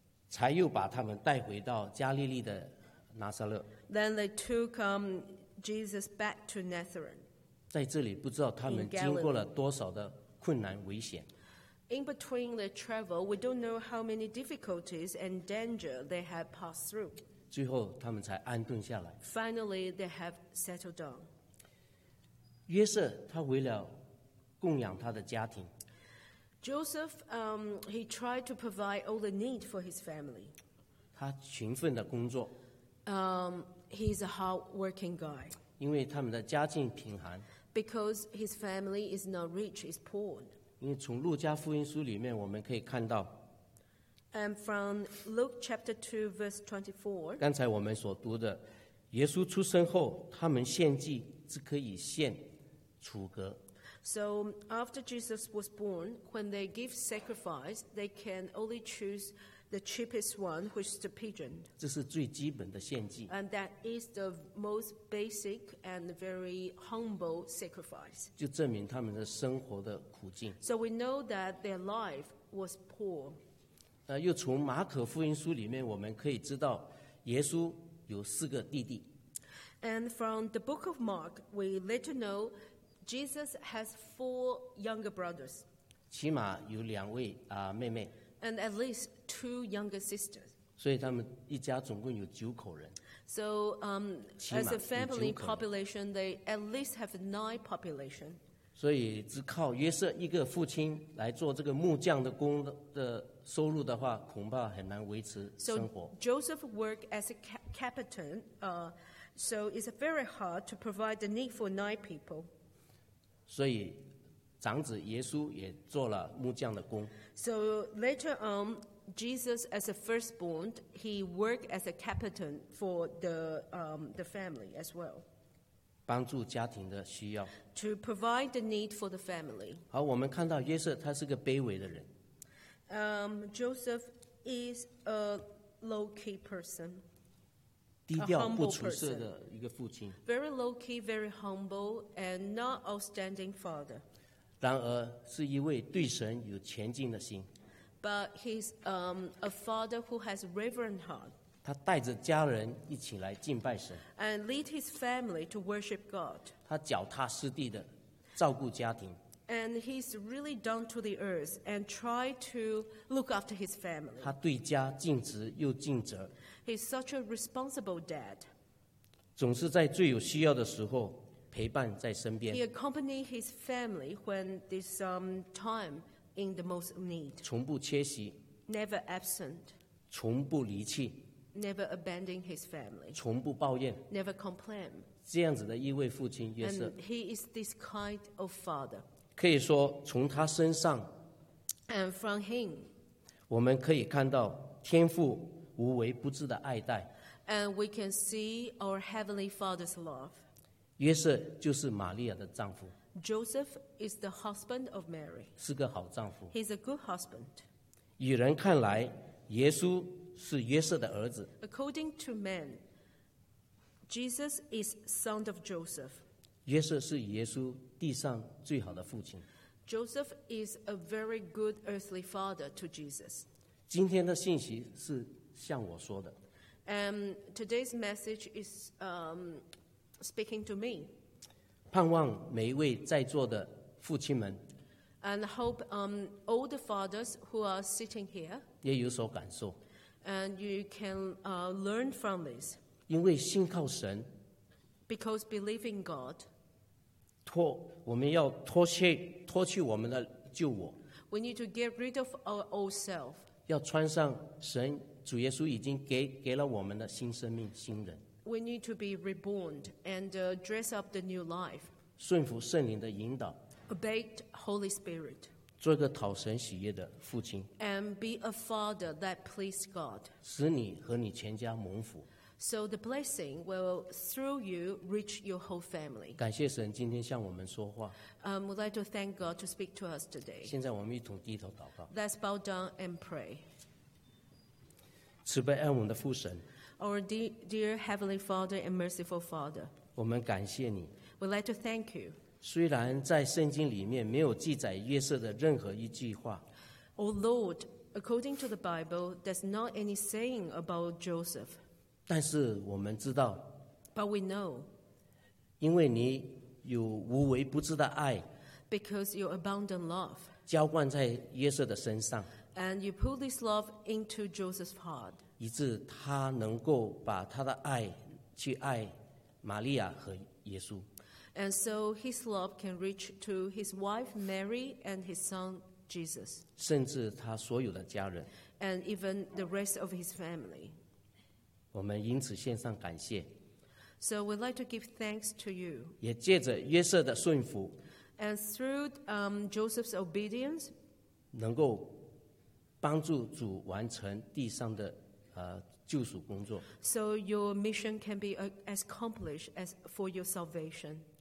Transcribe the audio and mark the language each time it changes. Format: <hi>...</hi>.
<zh>才又把他们带回到加利利的拿撒勒。</zh> <en>Then they took Jesus back to Nazareth.</en> <zh>在这里不知道他们经过了多少的困难危险。</zh> <en>In between the travel, we don't know how many difficulties and danger they had passed through.</en> <zh>最后他们才安顿下来。</zh> <en>Finally, they have settled down.</en> <zh>约瑟他为了供养他的家庭。</zh> <en>Joseph, he tried to provide all the need for his family.</en> <zh>他勤奋的工作。</zh> <en>He's a hard-working guy.</en> <zh>因为他们的家境贫寒。</zh> <en>Because his family is not rich, is poor.</en> <zh>因为从路加福音书里面我们可以看到。</zh> <en>And from Luke chapter 2, verse 24.</en> <zh>刚才我们所读的，耶稣出生后，他们献祭只可以献雏鸽。</zh> <en>So after Jesus was born, when they give sacrifice, they can only choose the cheapest one, which is the pigeon.</en> <zh>这是最基本的献祭。</zh> <en>And that is the most basic and very humble sacrifice.</en> <zh>就证明他们的生活的苦境。</zh> <en>So we know that their life was poor.</en> <zh>又从马可福音书里面我们可以知道，耶稣有四个弟弟。</zh> <en>And from the book of Mark, we later know. Jesus has four younger brothers.</en> <zh>起码有两位妹妹。</zh> <en>And at least two younger sisters.</en> <zh>所以他们一家总共有九口人。</zh> <en>So, as a family population, they at least have nine population.</en> <zh>所以只靠约瑟一个父亲来做这个木匠的工的收入的话，恐怕很难维持生活。</zh> <en>So Joseph worked as a captain, so it's very hard to provide the need for nine people.</en> <zh>所以长子耶稣也做了木匠的工。</zh> <en>So later on, Jesus as a firstborn, he worked as a captain for the family as well.</en> <zh>帮助家庭的需要。</zh> <en>To provide the need for the family.</en> <zh>好，我们看到约瑟他是个卑微的人。</zh> <en>Joseph is a low-key person.</en> <zh>低调不出色的一个父亲。</zh> <en>Very low-key, very humble, and not outstanding father.</en> <zh>然而是一位对神有前进的心。</zh> <en>But he's a father who has reverent heart.</en> <zh>他带着家人一起来敬拜神。</zh> <en>And lead his family to worship God.</en> <zh>他脚踏实地的照顾家庭。</zh> <en>And he's really down to the earth and try to look after his family.</en> <zh>他对家尽职又尽责。</zh> <en>He's such a responsible dad.</en> <zh>总是在最有需要的时候陪伴在身边。</zh> <en>He accompanied his family when there's time in the most need.</en> <zh>从不缺席。</zh> <en>Never absent.</en> <zh>从不离弃。</zh> <en>Never abandoning his family.</en> <zh>从不抱怨。</zh> <en>Never complain.</en> <zh>这样子的一位父亲约瑟。</zh> <en>And he is this kind of father.</en> <zh>可以说从他身上。</zh> <en>And from him.</en> <zh>我们可以看到天父无微不至的爱戴。</zh> <en>And we can see our Heavenly Father's love.</en> <zh>约瑟就是玛利亚的丈夫。</zh> <en>Joseph is the husband of Mary.</en> <zh>是个好丈夫。</zh> <en>He's a good husband.</en> <zh>与人看来，耶稣是约瑟的儿子。</zh> <en>According to men, Jesus is son of Joseph.</en> <zh>约瑟是耶稣地上最好的父亲。</zh> <en>Joseph is a very good earthly father to Jesus.</en> <zh>今天的信息是像我说的。</zh> <en>Today's message is speaking to me.</en> <zh>盼望每一位在座的父亲们。</zh> <en>And hope all the fathers who are sitting here.</en> <zh>也有所感受。</zh> <en>And you can learn from this.</en> <zh>因为信靠神。</zh> <en>Because believing God.</en> <zh>我们要脱去我们的旧我。</zh> <en>We need to get rid of our old self.</en> <zh>要穿上神主耶稣已经 给了我们的新生命新人。</zh> <en>We need to be reborn and dress up the new life.</en> <zh>顺服圣灵的引导。</zh> <en>Obey Holy Spirit.</en> <zh>做个讨神喜悦的父亲。</zh> <en>And be a father that pleases God.</en> <zh>使你和你全家蒙福。</zh> <en>So the blessing will through you reach your whole family.</en> <zh>感谢神今天向我们说话。</zh> <en>We'd like to thank God to speak to us today.</en> <zh>现在我们一同低头祷告。</zh> <en>Let's bow down and pray.</en> <zh>慈悲爱我们的父神。</zh> <en>Our dear Heavenly Father and Merciful Father.</en> <zh>我们感谢你。</zh> <en>We'd like to thank you.</en> <zh>虽然在圣经里面没有记载约瑟的任何一句话。</zh> <en>O Lord, according to the Bible, there's not any saying about Joseph.</en> <zh>但是我们知道。</zh> <en>But we know.</en> <zh>因为你有无微不至的爱。</zh> <en>Because your abundant love.</en> <zh>浇灌在约瑟的身上。</zh> <en>And you put this love into Joseph's heart.</en> <zh>以致他能够把他的爱去爱玛利亚和耶稣。</zh> <en>And so his love can reach to his wife Mary and his son Jesus.</en> <zh>甚至他所有的家人。</zh> <en>And even the rest of his family.</en> <zh>我们因此献上感谢。</zh> <en>So we'd like to give thanks to you.</en> <zh>也借着约瑟的顺服。</zh> <en>And through Joseph's obedience.</en> <zh>能够帮助主完成地上的救赎工作。</zh> <en>So your mission can be as accomplished as for your salvation.</en>